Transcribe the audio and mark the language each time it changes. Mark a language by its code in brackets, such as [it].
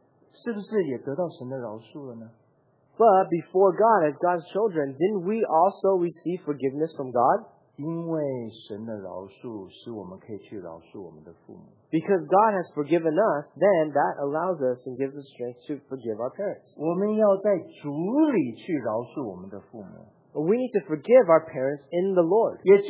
[zh] 但是我们在神的面前做神的儿女，我们是不是也是顶撞神？是不是也得到神的饶恕了呢？ [en] But before God, as God's children, didn't we also receive forgiveness from God? [zh] 因为神的饶恕，使我们可以去饶恕我们的父母。 [en] Because God has forgiven us, then that allows us and gives us strength to forgive our parents. [zh] 我们要在主里去饶恕我们的父母。 [en] We need to forgive our parents in the Lord.